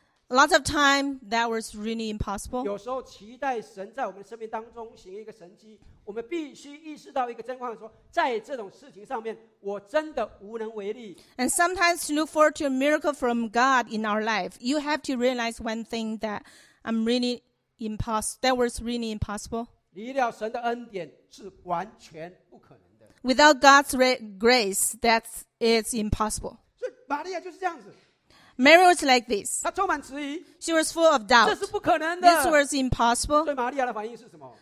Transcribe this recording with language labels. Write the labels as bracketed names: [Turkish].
[English] A lot of time, that was really impossible. [Chinese] 有时候期待神在我们生命当中行一个神迹，我们必须意识到一个真话，说在这种事情上面，我真的无能为力。 [English] And sometimes to look forward to a miracle from God in our life, you have to realize one thing that I'm really impossible. That was really impossible. [Chinese] 离了神的恩典是完全不可能的。 [English] Without God's grace, that is impossible. [Chinese] 所以玛利亚就是这样子。 [English] Mary was like this. [Chinese] 她充满质疑, [English] she was full of doubt. [Chinese] 这是不可能的, [English] this was impossible. [Chinese] 对玛利亚的反应是什么?